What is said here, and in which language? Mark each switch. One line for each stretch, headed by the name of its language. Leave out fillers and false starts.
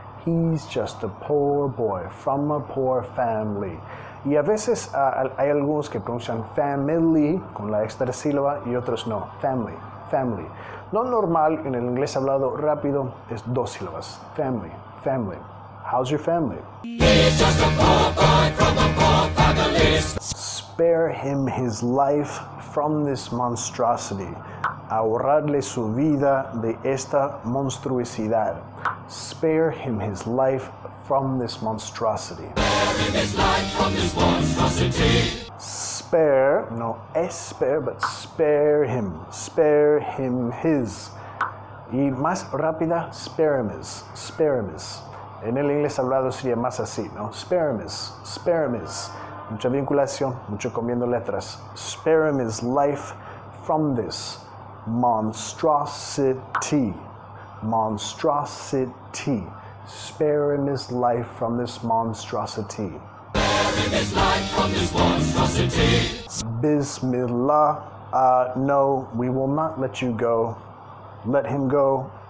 English: He's just a poor boy from a poor family.
Spanish: Y a veces hay algunos que pronuncian family con la extra sílaba y otros no. Family, family. Lo normal en el inglés hablado rápido es dos sílabas.
English: Family, family. How's your family? He's just a poor boy from a poor family. Spare him his life from this monstrosity.
Spanish: Ahorrarle su vida de esta monstruosidad.
English: Spare him his life from this monstrosity. Spare him his life from this monstrosity. Spare, no esper, but spare him. Spare him his.
Spanish: Y más rápida,
English: spare him his. Spare him his.
Spanish: En el inglés hablado sería más así, ¿no?
English: Spare him his. Spare him his.
Spanish: Mucha vinculación, mucho comiendo letras.
English: Spare him his life from this monstrosity. Monstrosity. Spare him his life from this monstrosity. Spare him his life from this monstrosity. Bismillah. No, we will not let you go. Let him go.